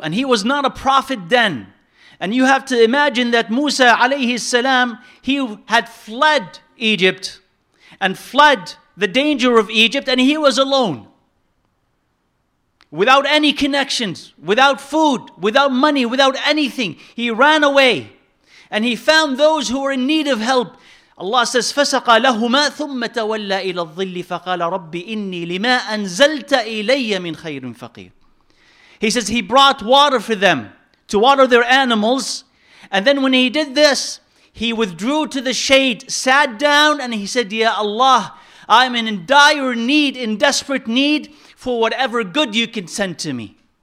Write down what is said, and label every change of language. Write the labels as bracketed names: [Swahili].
[English] And he was not a prophet then. And you have to imagine that Musa alayhi salam, he had fled Egypt and fled the danger of Egypt, and he was alone. Without any connections, without food, without money, without anything. He ran away and he found those who were in need of help. [Arabic] Allah says, فَسَقَ لَهُمَا ثُمَّ تَوَلَّى إِلَى الظِّلِّ فَقَالَ رَبِّ إِنِّي لِمَا أَنزَلْتَ إِلَيَّ مِنْ خَيْرٍ فَقِيرٍ. [English] He says he brought water for them to water their animals. And then when he did this, he withdrew to the shade, sat down, and he said, Ya Allah, I'm in dire need, in desperate need, for whatever good you can send to me.